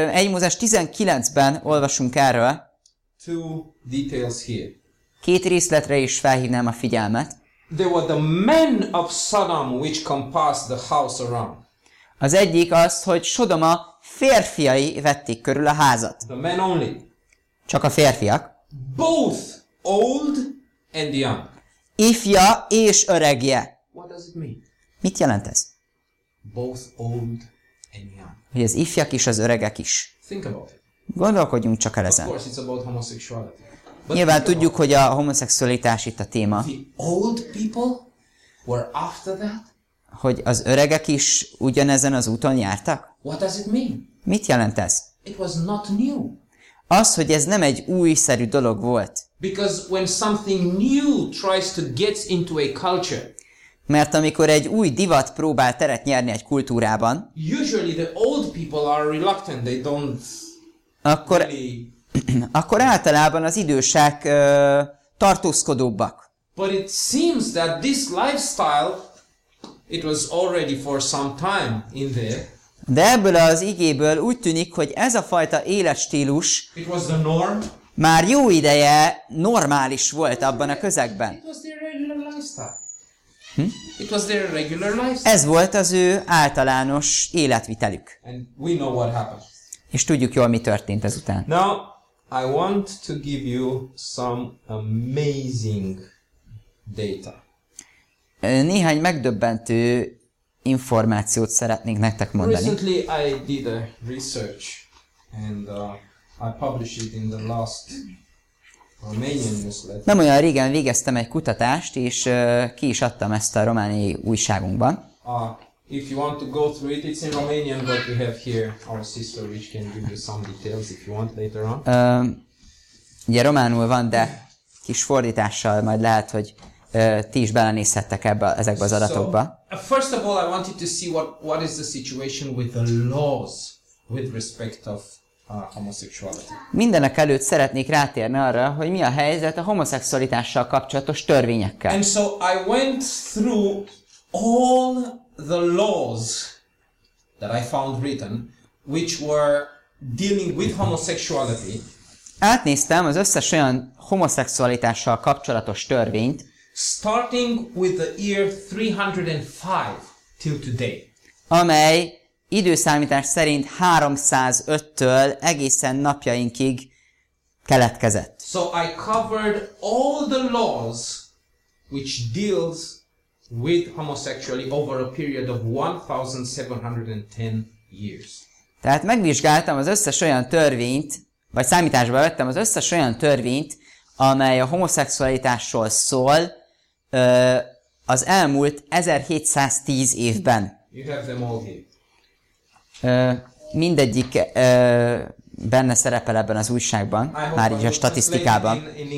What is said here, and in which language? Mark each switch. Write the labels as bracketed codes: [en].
[hu] Mózes 19-ben olvasunk erről. [en] Two details here. [hu] Két részletre is felhívnám a figyelmet. [en] There were the men of Sodom which compassed the house around. [hu] Az egyik az, hogy Sodoma férfiai vették körül a házat. [en] The men only. [hu] Csak a férfiak. [en] Both old and young. [hu] ifja és öregje. [en] What does it mean? [hu] Mit jelent ez? [en] Both old and young. [hu] Hogy az ifjak is, az öregek is. [en] Think about it. [hu] Gondolkodjunk csak el ezen. [en] Of course it's about homosexuality. [hu] Nyilván tudjuk, hogy a homoszexualitás itt a téma. [en] The old people were after that? [hu] Hogy az öregek is ugyanezen az úton jártak? [en] What does it mean? [hu] Mit jelent ez? [en] It was not new. [hu] Az, hogy ez nem egy újszerű dolog volt. [en] Because when something new tries to get into a culture. [hu] Mert amikor egy új divat próbál teret nyerni egy kultúrában, [en] usually the old people are reluctant, they don't [hu] akkor, [en] really... [hu] akkor általában az idősek tartózkodóbbak. [en] But it seems that this lifestyle, it was already for some time in there. [hu] De ebből az igéből úgy tűnik, hogy ez a fajta életstílus [en] it was the norm. [hu] Már jó ideje normális volt abban a közegben. [en] It was their regular lifestyle. It was their regular lifestyle. [hu] Ez volt az ő általános életvitelük. [en] And we know what happened. [hu] És tudjuk jól, mi történt ezután. [en] Now, I want to give you some amazing data. [hu] Néhány megdöbbentő információt szeretnék nektek mondani. [en] Recently I did a research and I published it in the last Romanian newsletter. [hu] Nem olyan régen végeztem egy kutatást, és ki is adtam ezt a romániai újságunkban. [en] If you want to go through it, it's in Romanian, but we have here our sister which can give you some details if you want later on. [hu] Ugye románul van, de kis fordítással majd lehet, hogy ti is belenézhettek ebbe ezekbe az adatokba. [en] So, first of all, I wanted to see what is the situation with the laws with respect of homosexuality. [hu] Mindenek előtt szeretnék rátérni arra, hogy mi a helyzet a homoszexualitással kapcsolatos törvényekkel. [en] And so I went through all the laws that I found written which were dealing with homosexuality. [hu] Átnéztem az összes olyan homoszexualitással kapcsolatos törvényt. [en] Starting with the year 305 till today. [hu] Amely időszámítás szerint 305-től egészen napjainkig keletkezett. [en] So I covered all the laws which deals with homosexuality over a period of 1710 years. [hu] Tehát megvizsgáltam az összes olyan törvényt, vagy számításba vettem az összes olyan törvényt, amely a homoszexualitásról szól, az elmúlt 1710 évben. [en] You have them all here. [hu] Mindegyik benne szerepel ebben az újságban, már így a statisztikában.